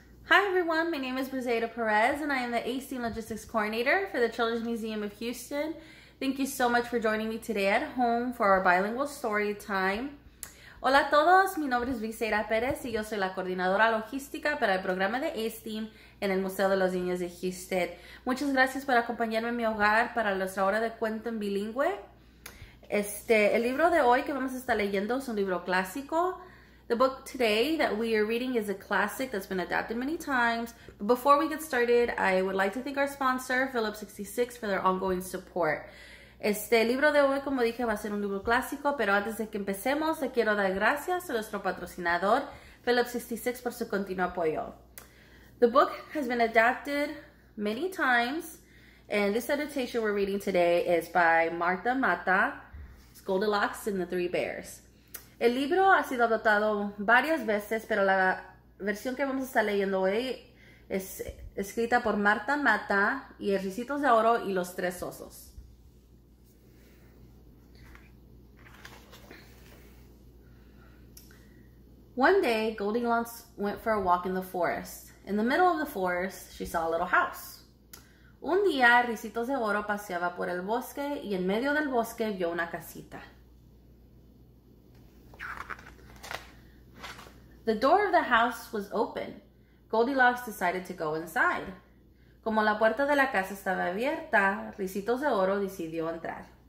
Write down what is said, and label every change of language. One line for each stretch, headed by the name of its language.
English: Hi everyone, my name is Briseida Perez and I am the AC and Logistics Coordinator for the Children's Museum of Houston. Thank you so much for joining me today at home for our bilingual story time.
Spanish: Hola a todos, mi nombre es Briseida Perez y yo soy la coordinadora logística para el programa de ASTEAM en el Museo de los Niños de Houston. Muchas gracias por acompañarme en mi hogar para nuestra hora de cuento en bilingüe. El libro de hoy que vamos a estar leyendo es un libro clásico.
English: The book today that we are reading is a classic that's been adapted many times. But before we get started, I would like to thank our sponsor, Philip 66, for their ongoing support.
Spanish: El libro de hoy, como dije, va a ser un libro clásico, pero antes de que empecemos, le quiero dar gracias a nuestro patrocinador, Philip 66, por su continuo apoyo.
English: The book has been adapted many times, and this adaptation we're reading today is by Marta Mata, it's Goldilocks and the Three Bears.
Spanish: El libro ha sido adaptado varias veces, pero la versión que vamos a estar leyendo hoy es escrita por Marta Mata y el Ricitos de Oro y los Tres Osos.
English: One day, Goldilocks went for a walk in the forest. In the middle of the forest, she saw a little house.
Spanish: Un día, Ricitos de Oro paseaba por el bosque y en medio del bosque vio una casita.
English: The door of the house was open. Goldilocks decided to go inside.
Spanish: Como la puerta de la casa estaba abierta, Ricitos de Oro decidió entrar.